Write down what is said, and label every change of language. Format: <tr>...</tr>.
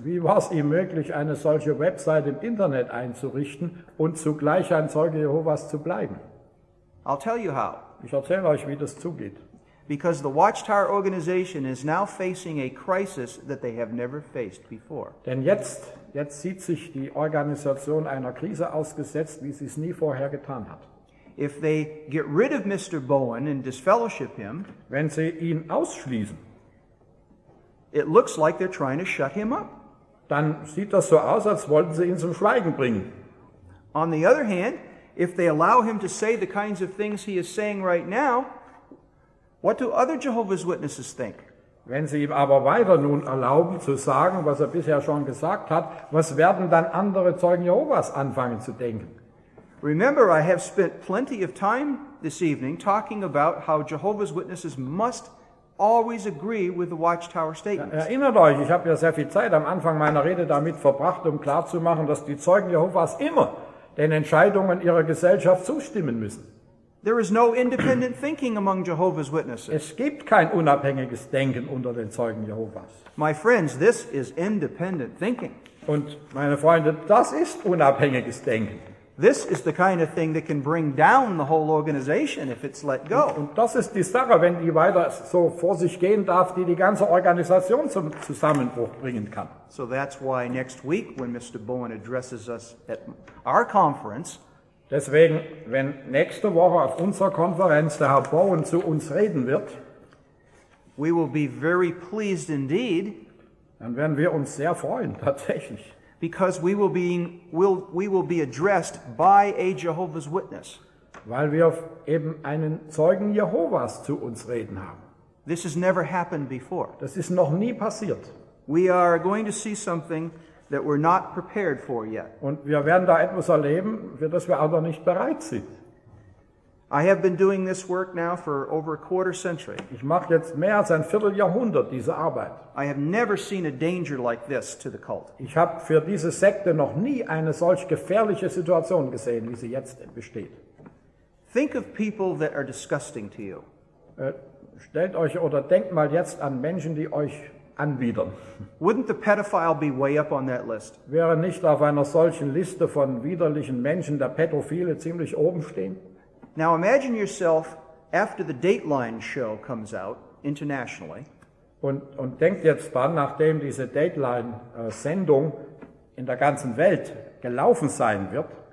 <de>Wie war es ihm möglich, eine solche Website im Internet einzurichten und zugleich ein Zeuge Jehovas zu bleiben?</de> <en>I'll tell you how.</en> <de>Ich erzähle euch, wie das zugeht.</de> <en>Because the Watchtower organization is now facing a crisis that they have never faced before.</en> <de>Denn jetzt sieht sich die Organisation einer Krise ausgesetzt, wie sie es nie vorher getan hat.</de> <en>If they get rid of Mr. Bowen and disfellowship him,</en> <de>wenn sie ihn ausschließen,</de> <en>it looks like they're trying to shut him up.</en> <de>Dann sieht das so aus, als wollten sie ihn zum Schweigen bringen.</de> <en>On the other hand, if they allow him to say the kinds of things he is saying right now, what do other Jehovah's Witnesses think?</en> <de>Wenn sie ihm aber weiter nun erlauben zu sagen, was er bisher schon gesagt hat, was werden dann andere Zeugen Jehovas anfangen zu denken?</de> <en>Remember, I have spent plenty of time this evening talking about how Jehovah's Witnesses must always agree with the Watchtower statements.</en> <de>Erinnert euch, ich habe ja sehr viel Zeit am Anfang meiner Rede damit verbracht, um klarzumachen, dass die Zeugen Jehovas immer den Entscheidungen ihrer Gesellschaft zustimmen müssen.</de> <en>There is no independent thinking among Jehovah's Witnesses.</en> <de>Es gibt kein unabhängiges Denken unter den Zeugen Jehovas.</de> <en>My friends, this is independent thinking.</en> <de>Und meine Freunde, das ist unabhängiges Denken.</de> <en>This is the kind of thing that can bring down the whole organization if it's let go.</en> <de>Und das ist die Sache, wenn die weiter so vor sich gehen darf, die ganze Organisation zum Zusammenbruch bringen kann.</de> <en>So that's why next week when Mr. Bowen addresses us at our conference,</en> <de>deswegen, wenn nächste Woche auf unserer Konferenz der Herr Bowen zu uns reden wird,</de> <en>we will be very pleased indeed.</en> <de>Dann werden wir uns sehr freuen, tatsächlich.</de> <en>Because we will be addressed by a Jehovah's Witness.</en> <de>Weil wir eben einen Zeugen Jehovas zu uns reden haben.</de> <en>This has never happened before.</en> <de>Das ist noch nie passiert.</de> <en>We are going to see something that we're not prepared for yet.</en> <de>Und wir werden da etwas erleben, für das wir aber nicht bereit sind.</de> <en>I have been doing this work now for over a quarter century.</en> <de>Ich mache jetzt mehr als ein Vierteljahrhundert diese Arbeit.</de> <en>I have never seen a danger like this to the cult.</en> <de>Ich habe für diese Sekte noch nie eine solch gefährliche Situation gesehen, wie sie jetzt besteht.</de> <en>Think of people that are disgusting to you.</en> <de>Stellt euch oder denkt mal jetzt an Menschen, die euch anwidern.</de> <en>Wouldn't the pedophile be way up on that list?</en> <de>Wäre nicht auf einer solchen Liste von widerlichen Menschen der Pädophile ziemlich oben stehen?</de> <en>Now imagine yourself after the Dateline show comes out internationally.</en> <de>Und denkt jetzt dran, nachdem diese Dateline Sendung in der ganzen Welt gelaufen sein wird.</de>